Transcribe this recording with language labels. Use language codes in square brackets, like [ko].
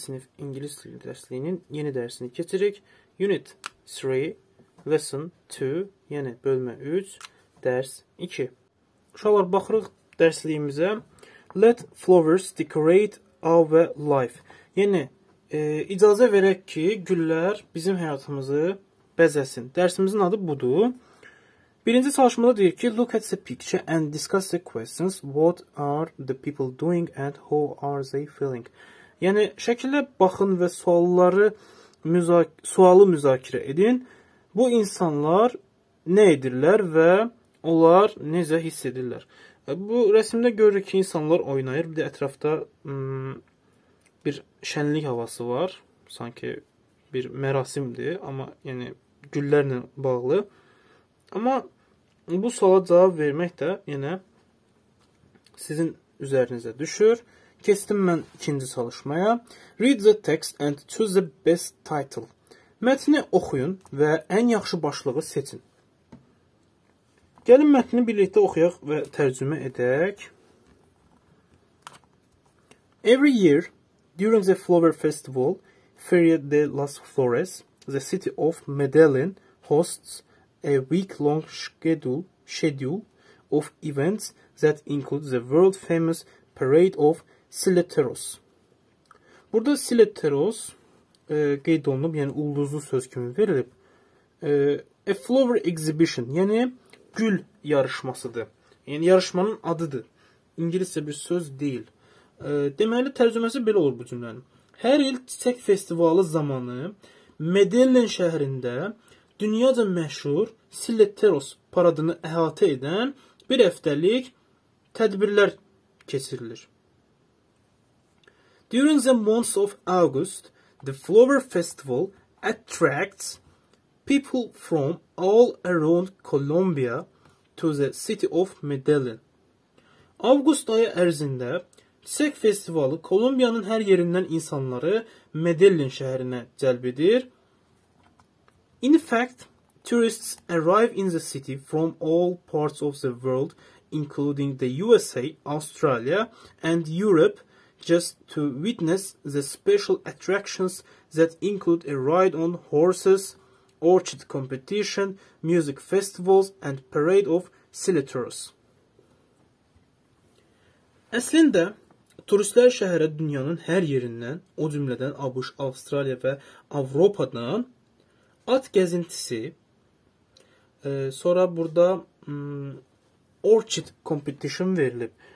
[az] sınıf İngiliz dili dersliğinin yeni dersini keçirik. [en] Unit 3, Lesson 2, [az] yəni bölmə 3, dərs 2. Uşaqlar, baxırıq dərsliyimizə. [en] Let flowers decorate our life. [az] Yəni, icazə verək ki, güllər bizim həyatımızı bəzəsin. Dərsimizin adı budur. Birinci çalışmada deyir ki, [en] look at the picture and discuss the questions. What are the people doing and how are they feeling? [az] Yəni, şəkildə baxın və sualı müzakirə edin. Bu insanlar nə edirlər və onlar necə hiss edirlər? Bu rəsimdə görürük ki, insanlar oynayır. Bir də ətrafda bir şənlik havası var. Sanki bir mərasimdir, amma yəni güllərlə bağlı. Amma bu suala cavab vermək də yenə sizin üzərinizə düşür. Keçdim mən ikinci çalışmaya. [en] Read the text and choose the best title. [az] Mətni oxuyun və ən yaxşı başlığı seçin. Gəlin mətni birlikdə oxuyaq və tərcümə edək. [en] Every year, during the Flower Festival, Feria de las Flores, the city of Medellin hosts a week-long schedule of events that include the world-famous parade of Sileteros. [az] Burada Sileteros qeyd olunub, yəni ulduzlu söz kimi verilib. [en] A flower exhibition, [az] yəni gül yarışmasıdır. Yəni yarışmanın adıdır. İngiliscə bir söz deyil. Deməli, tərcüməsi belə olur bu cümlənin. Hər il çiçək festivalı zamanı Medellin şəhərində dünyaca məşhur Sileteros paradını əhatə edən bir həftəlik tədbirlər keçirilir. [en] During the months of August, the Flower Festival attracts people from all around Colombia to the city of Medellin. [az] August ayı ərzində Çiçək Festivalı Kolombiyanın hər yerindən insanları Medellin şəhərinə cəlb edir. [en] In fact, tourists arrive in the city from all parts of the world, including the USA, Australia and Europe, just to witness the special attractions that include a ride on horses, orchid competition, music festivals and parade of Sileteros. [az] Əslində, turistlər şəhərə dünyanın hər yerindən, o cümlədən ABŞ, Avstraliya və Avropadan at gəzintisi, sonra burada [en] orchid competition [az] verilib.